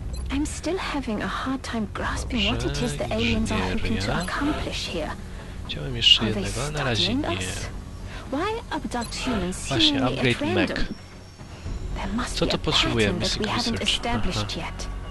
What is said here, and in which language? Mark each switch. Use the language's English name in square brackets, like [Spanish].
[English] I'm still having a hard time grasping what it is the aliens are hoping to accomplish here. [Polish] Chciałem jeszcze jednego, ale na razie nie. [English] Why abduct humans seemingly at random? There must be a pattern that we haven't established yet.